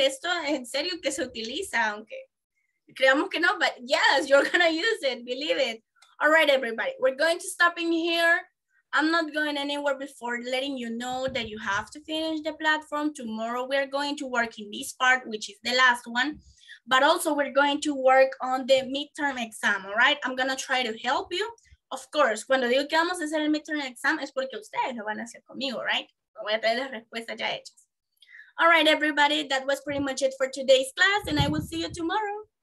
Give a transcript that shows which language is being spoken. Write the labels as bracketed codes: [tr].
[es] Esto en serio que se utiliza, aunque creamos que no, [en] but yes, you're going to use it. Believe it. All right, everybody. We're going to stop in here. I'm not going anywhere before letting you know that you have to finish the platform. Tomorrow, we're going to work in this part, which is the last one. But also we're going to work on the midterm exam, all right? I'm gonna try to help you. [es] Of course, cuando digo que vamos a hacer el midterm exam es porque ustedes lo van a hacer conmigo, right? Voy a traer las respuestas ya hechas. [en] All right, everybody, that was pretty much it for today's class and I will see you tomorrow.